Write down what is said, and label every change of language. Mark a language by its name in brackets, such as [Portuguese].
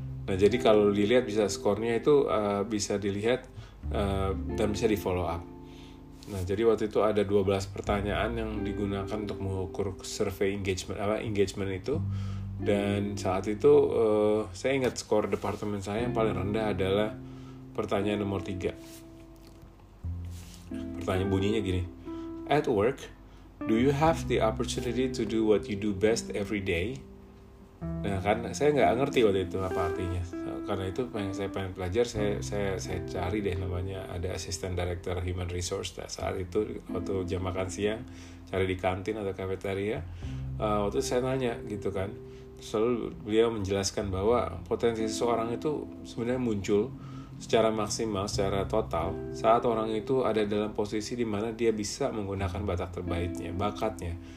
[Indonesian] Nah, jadi kalau dilihat bisa skornya itu bisa dilihat dan bisa di follow up. Nah, jadi waktu itu ada 12 pertanyaan yang digunakan untuk mengukur survei engagement itu. Dan saat itu saya ingat skor departemen saya yang paling rendah adalah pertanyaan nomor 3. Pertanyaan bunyinya gini. [English] At work, do you have the opportunity to do what you do best every day? [Indonesian] Nah, kan saya nggak ngerti waktu itu apa artinya. Karena itu pengen belajar, saya cari deh namanya ada assistant director human resource. Nah, saat itu waktu jam makan siang, cari di kantin atau cafeteria. Waktu itu saya nanya gitu kan. Selalu beliau menjelaskan bahwa potensi seseorang itu sebenarnya muncul secara maksimal, secara total saat orang itu ada dalam posisi di mana dia bisa menggunakan batak terbaiknya, bakatnya.